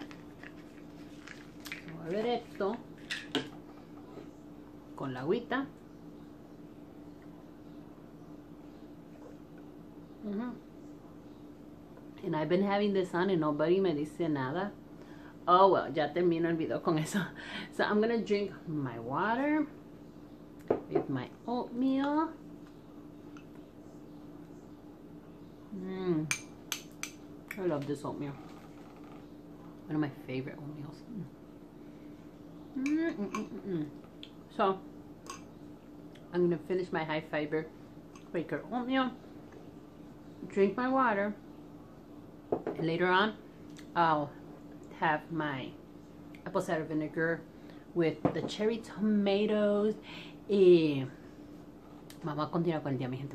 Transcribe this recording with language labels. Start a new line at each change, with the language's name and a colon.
Spanish: Me voy a ver esto. Con la agüita.
English: And I've been having this on and nobody
Spanish: me dice nada.
English: Oh, well,
Spanish: ya termino el video con eso.
English: So I'm gonna drink my water with my oatmeal. I love this oatmeal. One of my favorite oatmeals. So I'm gonna finish my high fiber Quaker oatmeal, drink my water. Later on, I'll have my apple cider vinegar with the cherry tomatoes.
Spanish: Y vamos a continuar con el día, mi gente.